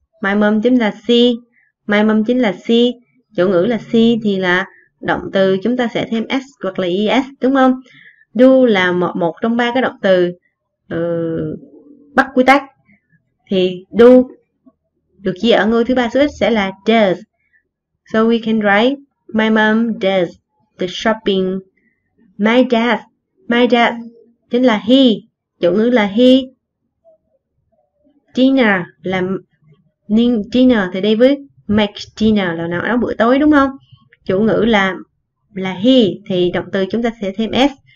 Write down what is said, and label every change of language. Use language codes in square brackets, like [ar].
[en] My mom [vi] chính là [en] she. My mom chính là she. [vi] Chủ ngữ là she thì là động từ chúng ta sẽ thêm s hoặc là es, đúng không? Do là một trong ba cái động từ bắt quy tắc. Thì do được chia ở ngôi thứ ba số ít sẽ là does. [en] So we can write my mom does the shopping. My dad [vi] chính là he, chủ ngữ là he. Dinner là nên dinner thì đây với make dinner là nấu bữa tối, đúng không? Chủ ngữ là he thì động từ chúng ta sẽ thêm s.